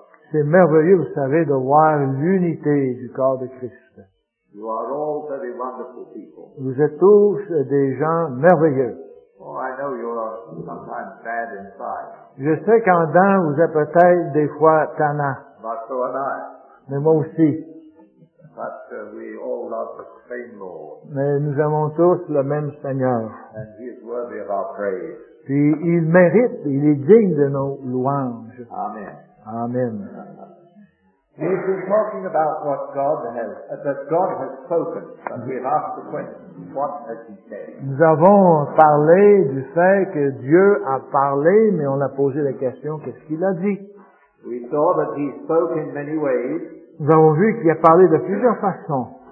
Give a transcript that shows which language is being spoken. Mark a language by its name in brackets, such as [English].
[French] C'est merveilleux, vous savez, de voir l'unité du corps de Christ. [English] You are all very wonderful people. [French] Vous êtes tous des gens merveilleux. [English] Oh, I know you are sometimes bad inside. [French] Je sais qu'en dedans, vous êtes peut-être des fois tannant. [English] But so am I. [French] Mais moi aussi. [English] But, we all love the same Lord. [French] Mais nous avons tous le même Seigneur. [English] And he is worthy of our praise. [French] Puis il mérite, il est digne de nos louanges. [English] Amen. [French] Amen. [English] We've been talking about what God has, that God has spoken, but we have asked the question, what has He said? [French] Nous avons parlé du fait que Dieu a parlé, mais on a posé la question, qu'est-ce qu'il a dit? [English] We saw that He spoke in many ways. [French] Nous avons vu qu'il a parlé de plusieurs façons.